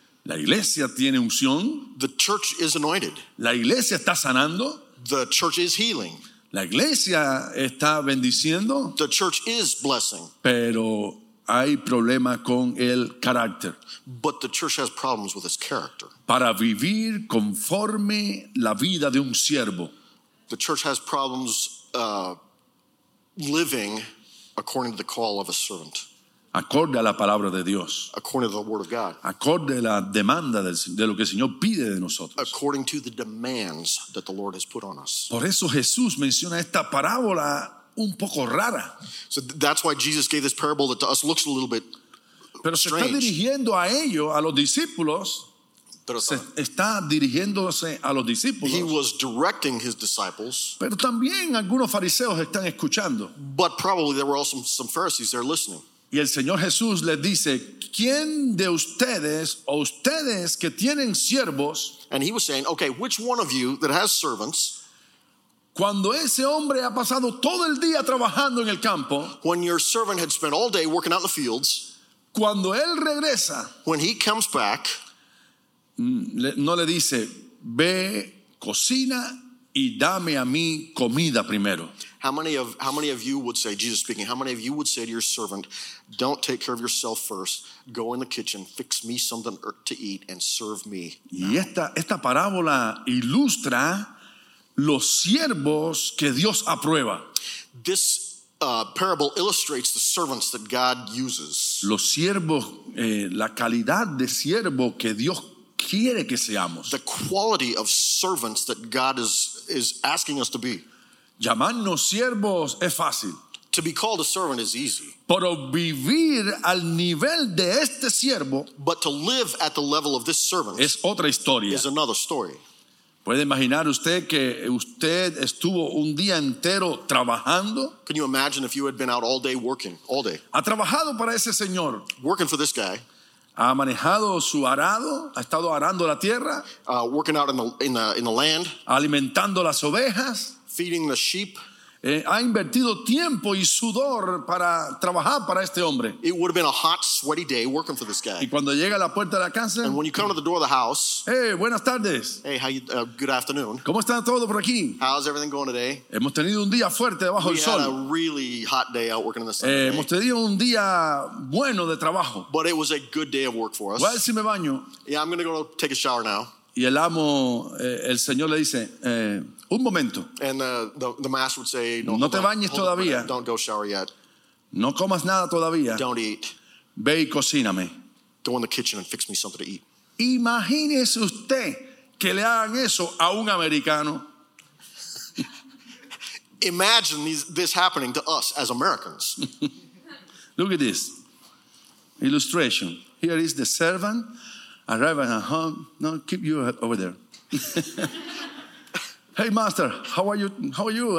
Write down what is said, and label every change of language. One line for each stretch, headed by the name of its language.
Spanish: La iglesia tiene unción.
English: The church is anointed.
Spanish: La iglesia está sanando.
English: The church is healing.
Spanish: La iglesia está bendiciendo.
English: The church is blessing.
Spanish: Pero hay problema con el carácter.
English: But the church has problems with its character.
Spanish: Para vivir conforme la vida de un siervo.
English: The church has problems living according to the call of a servant.
Spanish: Acorde a la palabra de Dios.
English: According to the word of God.
Spanish: Acorde a la demanda de lo que el Señor pide de nosotros.
English: According to the demands that the Lord has put on us.
Spanish: Por eso Jesús menciona esta parábola un poco rara.
English: So that's why Jesus gave this parable that to us looks a little bit
Spanish: pero
English: strange.
Spanish: Pero se está dirigiendo a ellos, a los discípulos. Pero se está dirigiéndose a los discípulos.
English: He was directing his disciples.
Spanish: Pero también algunos fariseos están escuchando.
English: But probably there were also some Pharisees there listening.
Spanish: Y el Señor Jesús les dice, ¿quién de ustedes o ustedes que tienen siervos?
English: And he was saying, okay, which one of you that has servants?
Spanish: Cuando ese hombre ha pasado todo el día trabajando en el campo,
English: when your servant had spent all day working out in the fields,
Spanish: cuando él regresa,
English: when he comes back,
Spanish: no le dice, ve, cocina y dame a mí comida primero.
English: How many of you would say to your servant, don't take care of yourself first, go in the kitchen, fix me something to eat and serve me.
Spanish: Y esta parábola ilustra los siervos que Dios aprueba.
English: This parable illustrates the servants that God uses.
Spanish: Los siervos, la calidad de siervo que Dios quiere que seamos.
English: The quality of servants that God is asking us to be.
Spanish: Llamarnos siervos es fácil.
English: To be called a servant is easy.
Spanish: Pero vivir al nivel de este siervo,
English: but to live at the level of this servant,
Spanish: es otra historia.
English: Is another story.
Spanish: ¿Puede imaginar usted que usted estuvo un día entero trabajando?
English: Can you imagine if you had been out all day working, all day?
Spanish: ¿Ha trabajado para ese señor?
English: Working for this guy.
Spanish: ¿Ha manejado su arado? ¿Ha estado arando la tierra?
English: Working out in the land.
Spanish: ¿Alimentando las ovejas?
English: Feeding the sheep.
Spanish: Ha invertido tiempo y sudor para trabajar para este hombre.
English: It would have been a hot, sweaty day working for this guy.
Spanish: Y cuando llega a la puerta de la casa,
English: and when you come to the door of the house,
Spanish: hey, buenas tardes.
English: Hey, how you? Good afternoon.
Spanish: ¿Cómo está todo por aquí?
English: How's everything going today?
Spanish: Hemos tenido un día fuerte debajo del sol.
English: We had a really hot day out working in the sun.
Spanish: Hemos tenido un día bueno de trabajo.
English: But it was a good day of work for us.
Spanish: ¿Voy a ver si me baño?
English: Yeah, I'm going to go take a shower now.
Spanish: Y el amo, el señor le dice, un momento.
English: And the master would say,
Spanish: no te bañes todavía.
English: Don't go shower yet.
Spanish: No comas nada todavía.
English: Don't eat.
Spanish: Ve y cocíname.
English: Go in the kitchen and fix me something to eat.
Spanish: Imagínese usted que le hagan eso a un americano.
English: Imagine this happening to us as Americans. Look at this illustration. Here is the servant. Arriving at home. No, keep you over there. Hey, master, how are you? How are you?